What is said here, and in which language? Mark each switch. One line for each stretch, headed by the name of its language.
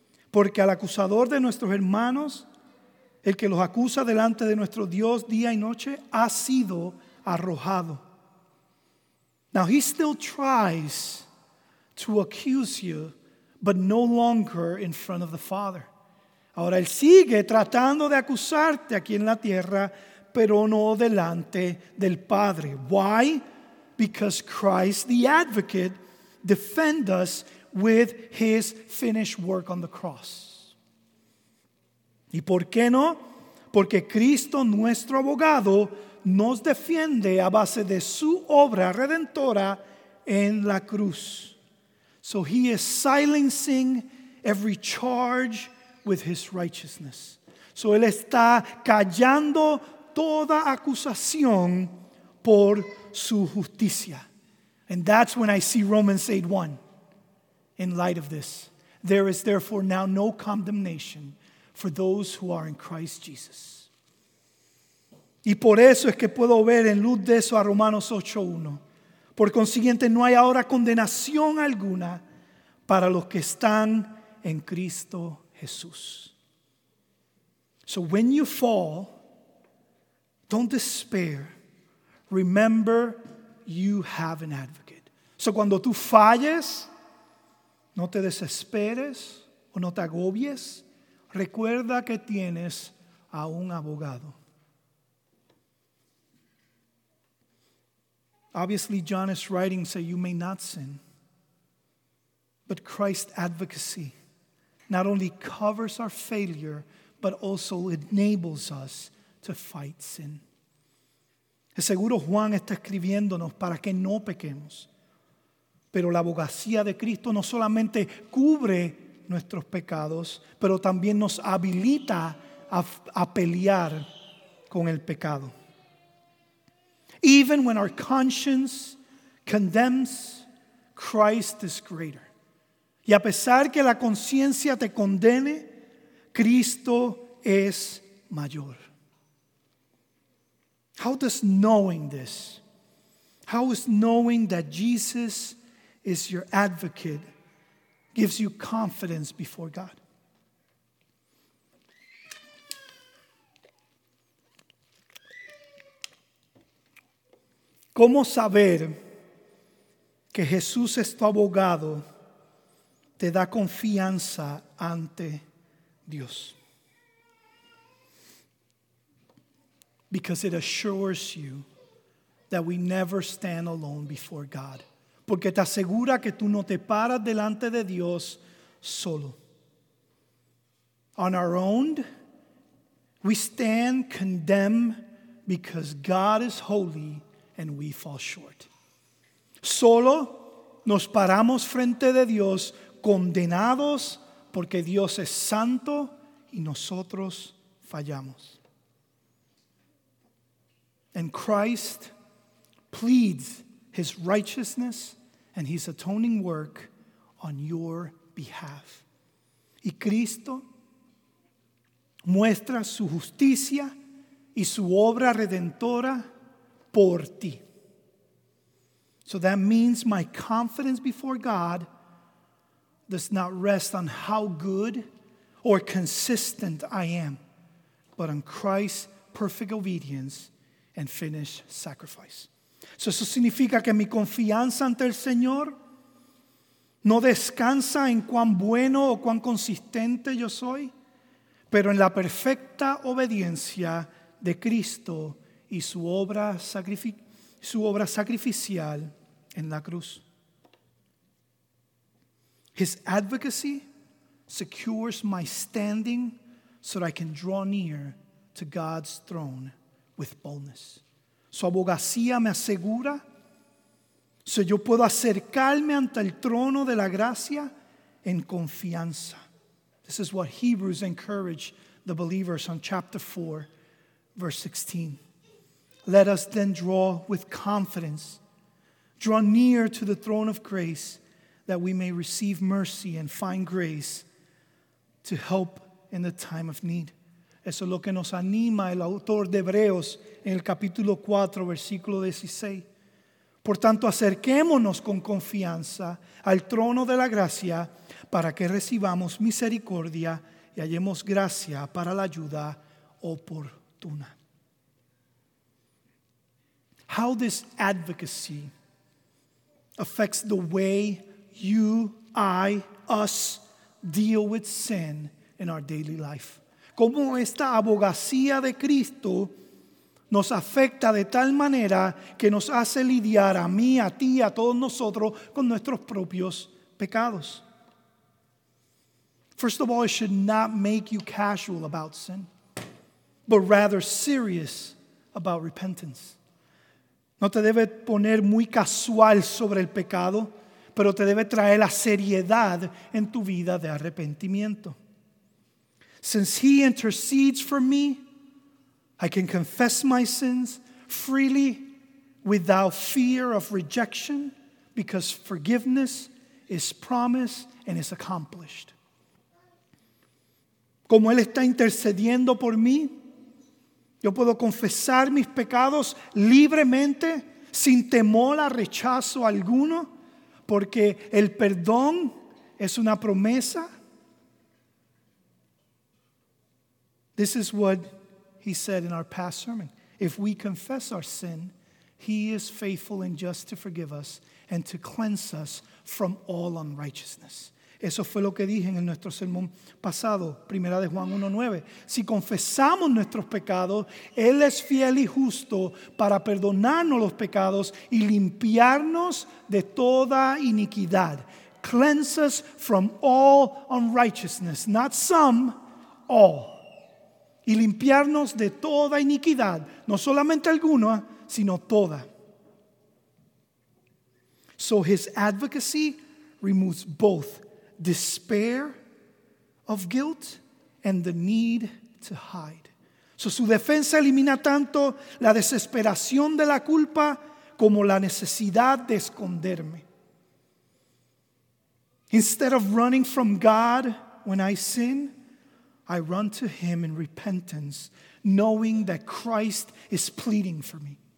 Spanish: Porque al acusador de nuestros hermanos, el que los acusa delante de nuestro Dios día y noche, ha sido arrojado.
English: Now he still tries to accuse you, but no longer in front of the Father.
Spanish: Ahora él sigue tratando de acusarte aquí en la tierra, pero no delante del Padre.
English: Why? Because Christ, the advocate, defends us with his finished work on the cross.
Spanish: ¿Y por qué no? Porque Cristo, nuestro abogado, nos defiende a base de su obra redentora en la cruz.
English: So he is silencing every charge with his righteousness.
Spanish: So él está callando toda acusación por su justicia.
English: And that's when I see Romans 8:1. In light of this, there is therefore now no condemnation for those who are in Christ Jesus.
Spanish: Y por eso es que puedo ver en luz de eso a Romanos 8:1. Por consiguiente, no hay ahora condenación alguna para los que están en Cristo Jesús.
English: So when you fall, don't despair. Remember, you have an advocate.
Spanish: So cuando tú falles, no te desesperes o no te agobies. Recuerda que tienes a un abogado.
English: Obviously, John is writing so you may not sin. But Christ's advocacy not only covers our failure, but also enables us to fight sin.
Spanish: De seguro Juan está escribiéndonos para que no pequemos. Pero la abogacía de Cristo no solamente cubre nuestros pecados, pero también nos habilita a pelear con el pecado.
English: Even when our conscience condemns, Christ is greater.
Spanish: Y a pesar que la conciencia te condene, Cristo es mayor.
English: How is knowing that Jesus is your advocate gives you confidence before God?
Spanish: ¿Cómo saber que Jesús es tu abogado te da confianza ante Dios?
English: Because it assures you that we never stand alone before God.
Spanish: Porque te asegura que tú no te paras delante de Dios solo.
English: On our own, we stand condemned because God is holy and we fall short.
Spanish: Solo nos paramos frente de Dios condenados porque Dios es santo y nosotros fallamos.
English: And Christ pleads his righteousness and his atoning work on your behalf.
Spanish: Y Cristo muestra su justicia y su obra redentora por ti.
English: So that means my confidence before God does not rest on how good or consistent I am, but on Christ's perfect obedience and finished sacrifice.
Spanish: So eso significa que mi confianza ante el Señor no descansa en cuán bueno o cuán consistente yo soy, pero en la perfecta obediencia de Cristo y su obra sacrificial en la cruz.
English: His advocacy secures my standing so that I can draw near to God's throne with boldness.
Spanish: Su abogacía me asegura so yo puedo acercarme ante el trono de la gracia en confianza.
English: This is what Hebrews encouraged the believers on chapter 4, verse 16. Let us then draw with confidence, draw near to the throne of grace, that we may receive mercy and find grace to help in the time of need.
Spanish: Eso es lo que nos anima el autor de Hebreos en el capítulo 4, versículo 16. Por tanto, acerquémonos con confianza al trono de la gracia para que recibamos misericordia y hallemos gracia para la ayuda oportuna.
English: How this advocacy affects the way you, I, us deal with sin in our daily life.
Spanish: ¿Cómo esta abogacía de Cristo nos afecta de tal manera que nos hace lidiar a mí, a ti, a todos nosotros con nuestros propios pecados?
English: First of all, it should not make you casual about sin, but rather serious about repentance.
Spanish: No te debe poner muy casual sobre el pecado, pero te debe traer la seriedad en tu vida de arrepentimiento.
English: Since he intercedes for me, I can confess my sins freely without fear of rejection because forgiveness is promised and is accomplished.
Spanish: Como él está intercediendo por mí, yo puedo confesar mis pecados libremente sin temor a rechazo alguno porque el perdón es una promesa.
English: This is what he said in our past sermon. If we confess our sin, he is faithful and just to forgive us and to cleanse us from all unrighteousness.
Spanish: Eso fue lo que dije en nuestro sermón pasado, primera de Juan 1:9. Si confesamos nuestros pecados, él es fiel y justo para perdonarnos los pecados y limpiarnos de toda iniquidad.
English: Cleanse us from all unrighteousness, not some, all.
Spanish: Y limpiarnos de toda iniquidad, no solamente alguna, sino toda.
English: So his advocacy removes both despair of guilt and the need to hide.
Spanish: So su defensa elimina tanto la desesperación de la culpa como la necesidad de esconderme.
English: Instead of running from God when I sin, I run to him in repentance, knowing that Christ is pleading for me.